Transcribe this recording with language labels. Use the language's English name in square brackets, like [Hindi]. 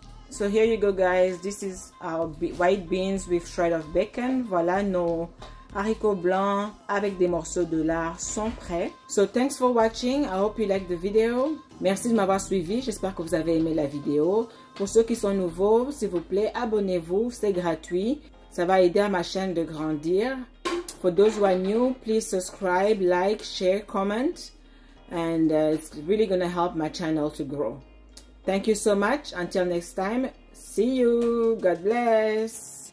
[English] So here you go, guys. This is our white beans with shred of bacon. [French] Voilà, nos haricots blancs avec des morceaux de lard sont prêts. [English] So thanks for watching. I hope you like the video. [French] Merci de m'avoir suivi. J'espère que vous avez aimé la vidéo. Pour ceux qui sont nouveaux, s'il vous plaît, abonnez-vous. C'est gratuit. Ça va aider à ma chaîne de grandir. [English] For those who are new, please subscribe, like, share, comment. And it's really gonna help my channel to grow. Thank you so much. Until next time, see you. God bless.